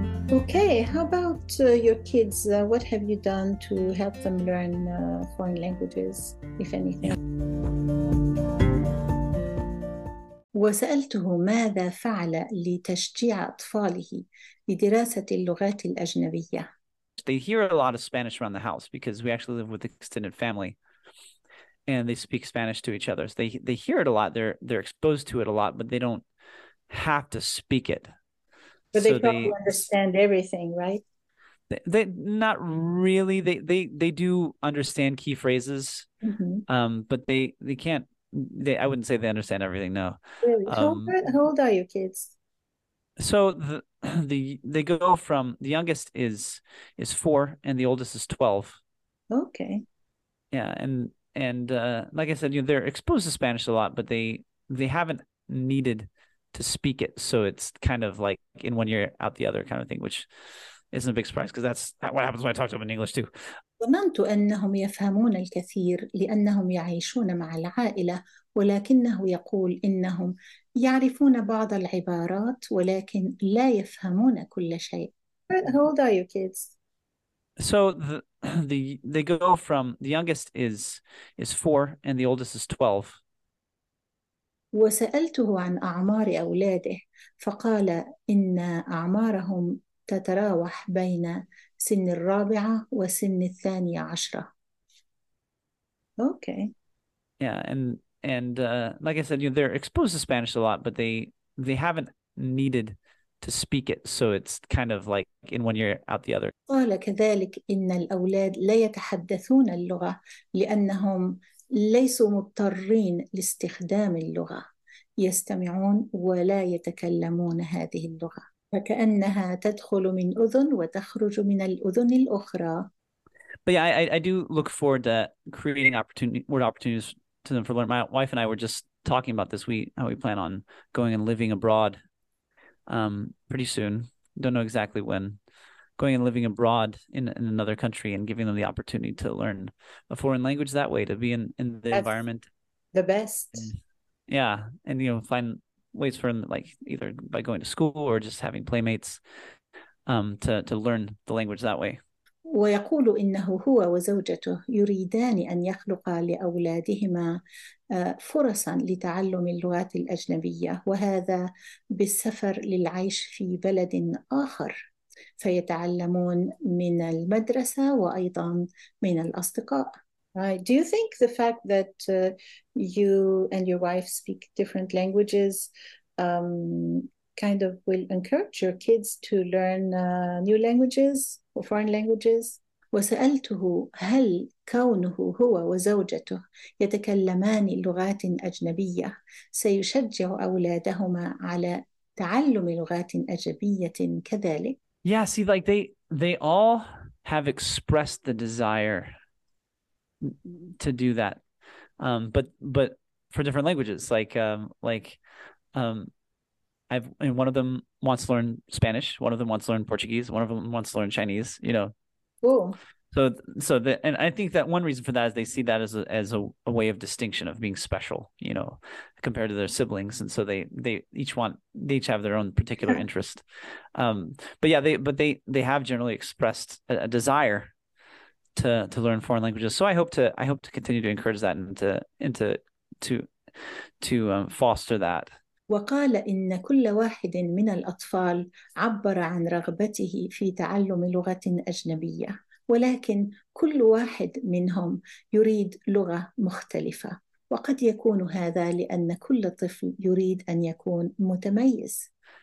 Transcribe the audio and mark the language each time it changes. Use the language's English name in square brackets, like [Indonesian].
[English] Okay, how about your kids? What have you done to help them learn foreign languages, if anything? [Arabic] وسألته ماذا فعل لتشجيع أطفاله لدراسة اللغات الأجنبية؟ [English] They hear a lot of Spanish around the house because we actually live with extended family and they speak Spanish to each other. So they hear it a lot. They're exposed to it a lot, but they don't have to speak it. But they So probably understand everything, right? they not really. They do understand key phrases, but they can't. I wouldn't say they understand everything, no. Really? How old are your kids? So they go from the youngest is 4 and the oldest is 12. Okay. Yeah, and like I said, they're exposed to Spanish a lot, but they haven't needed to speak it. So it's kind of like in one ear out the other kind of thing, which isn't a big surprise because that's what happens when I talk to them in English too. [Arabic] ظننت أنهم يفهمون الكثير لأنهم يعيشون مع العائلة، ولكنه يقول إنهم يعرفون بعض العبارات ولكن لا يفهمون كل شيء. [English] How old are your kids? So they go from the youngest is 4 and the oldest is 12. [Arabic] وسألته عن أعمار أولاده، فقال إن أعمارهم تتراوح بين سن الرابعة وسن الثانية عشرة. أوكي. [English] Yeah, and like I said, they're exposed to Spanish a lot, but they haven't needed to speak it, so it's kind of like in one ear out the other. [Arabic] قال كذلك إن الأولاد لا يتحدثون اللغة لأنهم ليسوا مضطرين لاستخدام اللغة، يستمعون ولا يتكلمون هذه اللغة. فكأنها تدخل من أذن وتخرج من الأذن الأخرى. [English] But yeah, I do look forward to creating opportunities to them for learning. My wife and I were just talking about this. How we plan on going and living abroad, pretty soon. Don't know exactly when. Going and living abroad in another country and giving them the opportunity to learn a foreign language that way, to be in the That's environment, the best. and yeah, and find ways for them, like either by going to school or just having playmates, to learn the language that way. [Arabic] ويقول إنه هو وزوجته يريدان أن يخلقا لأولادهما فرصا لتعلم اللغات الأجنبية، وهذا بالسفر للعيش في بلد آخر، فيتعلمون من المدرسة وأيضا من الأصدقاء. [English] Right. Do you think the fact that you and your wife speak different languages kind of will encourage your kids to learn new languages? Or foreign languages. [Arabic] وسألته هل كونه هو وزوجته يتكلمان لغات أجنبية سيشجع أولادهما على تعلم لغات أجنبية كذلك؟ [English] Yeah, see, like they all have expressed the desire to do that, but for different languages, and one of them wants to learn Spanish, one of them wants to learn Portuguese, one of them wants to learn Chinese, Cool. and I think that one reason for that is they see that as a way of distinction, of being special, compared to their siblings, and so they each have their own particular interest, but yeah, they have generally expressed a desire to learn foreign languages, so I hope to continue to encourage that and to foster that. [Arabic] وقال إن كل واحد من الأطفال عبر عن رغبته في تعلم لغة أجنبية، ولكن كل واحد منهم يريد لغة مختلفة، وقد يكون هذا لأن كل طفل يريد أن يكون متميز.